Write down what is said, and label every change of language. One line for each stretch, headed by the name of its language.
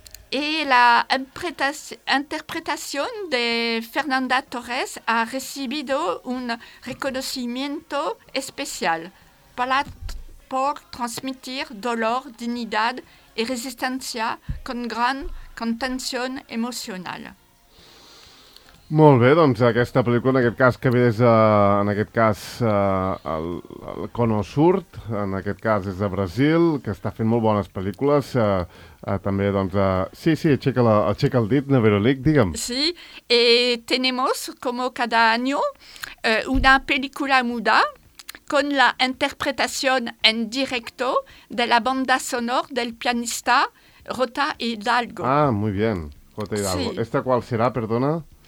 Spanish: Y la interpretación de Fernanda Torres ha recibido un reconocimiento especial por transmitir dolor, dignidad y resistencia con gran contención emocional.
Catalan: Molt bé, doncs aquesta pel·lícula, en aquest cas, que ve des de, en aquest cas, el Cono Sur, en aquest cas des de Brasil, que està fent molt bones pel·lícules, també, doncs, sí, aixeca el dit, Neverolic, digue'm.
Spanish: Sí, y tenemos, como cada año, una película muda con la interpretación en directo de la banda sonora del pianista Rota Hidalgo. Ah, muy bien, Rota Hidalgo. Sí. ¿Esta cuál será, perdona?